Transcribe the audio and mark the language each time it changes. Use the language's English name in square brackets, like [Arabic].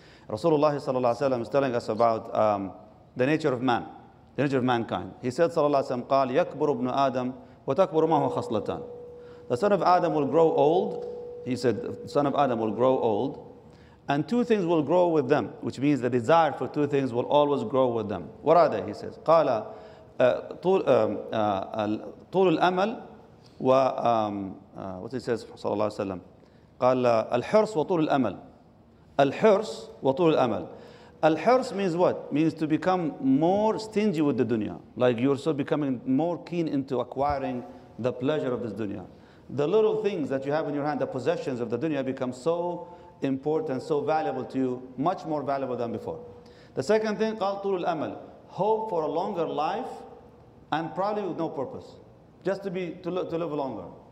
[English] Rasulullah sallallahu alayhi wa sallam is telling us about the nature of man, the nature of mankind. He said, sallallahu alayhi wa sallam, قال, [Arabic] يَكْبُرُ ابْنُ آدَمُ وَتَكْبُرُ مَهُ خَصْلَتَانِ [English] The son of Adam will grow old, He said, the son of Adam will grow old, and two things will grow with them, which means the desire for two things will always grow with them. What are they? He says, [Arabic] قَالَ طُولُ الْأَمَلِ وَ [English] what he says, [Arabic] صلى الله عليه وسلم, قَالَ الْحِرْصُ وَطُولُ الْأَمَلِ الْحِرْصُ وَطُولُ الْأَمَلِ الْحِرْصُ [English] means what? Means to become more stingy with the dunya, like you're so becoming more keen into acquiring the pleasure of this dunya. The little things that you have in your hand, the possessions of the dunya, become so important, so valuable to you, much more valuable than before. The second thing, [Arabic] قَالْ طُولُ الْأَمَلِ [English] Hope for a longer life and probably with no purpose, just to live longer.